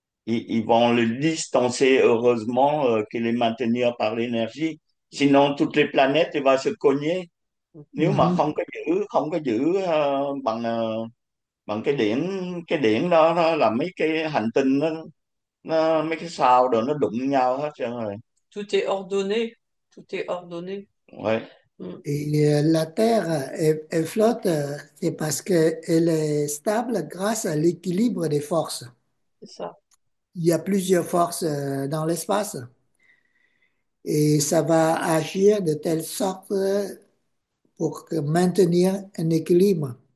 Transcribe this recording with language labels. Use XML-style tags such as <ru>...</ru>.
<fr>Ils vont le distancer, heureusement qu'il est maintenu par l'énergie. Sinon, toutes les planètes vont se cogner.</fr> <vi>Nếu mà không có giữ bằng bằng cái điển đó, đó là mấy cái hành tinh nó mấy cái sao rồi nó đụng nhau hết trơn rồi.</vi> <fr>Tout est ordonné. Ouais. Et la Terre est flotte, c'est parce qu'elle est stable grâce à l'équilibre des forces. Ça. Il y a plusieurs forces dans l'espace. Et ça va agir de telle sorte pour maintenir un équilibre.</fr>